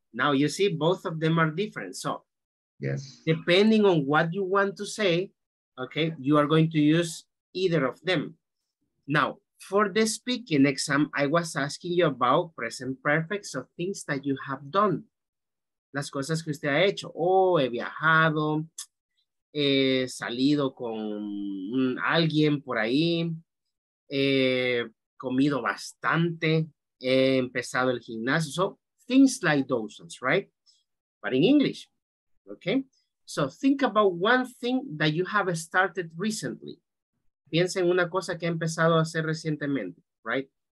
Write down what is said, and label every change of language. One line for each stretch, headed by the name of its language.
English: Now you see both of them are different. So, yes. Depending on what you want to say, okay, you are going to use either of them. Now, for the speaking exam, I was asking you about present perfect, so things that you have done.
Spanish: Las cosas que usted ha hecho. Oh, he viajado, he salido con alguien por ahí, he comido bastante, he empezado el gimnasio.
English: So, things like those, right? But in English, okay? So, think about one thing that you have started recently.
Spanish: Piensa en una cosa que ha empezado a hacer recientemente, right?